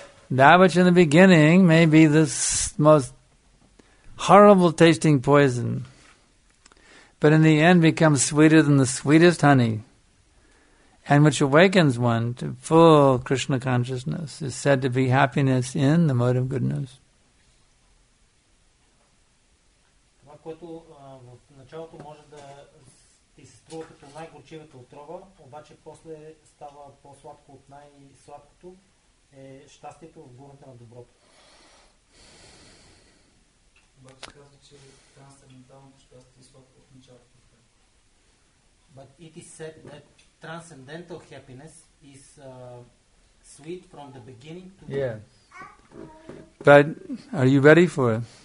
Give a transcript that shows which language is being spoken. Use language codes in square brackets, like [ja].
[en] That which in the beginning may be the most horrible tasting poison, but in the end becomes sweeter than the sweetest honey, and which awakens one to full Krishna consciousness, is said to be happiness in the mode of goodness. [bg] Което в началото може да ти се струва като най-горчивата отрова, обаче после става по-сладко от най-сладкото, е щастието в гората на доброто. Обаче казва, че трансценденталното щастие е сладко от началото. [en] But it is said that transcendental happiness is sweet from the beginning to the end. Yeah. But are you ready for it?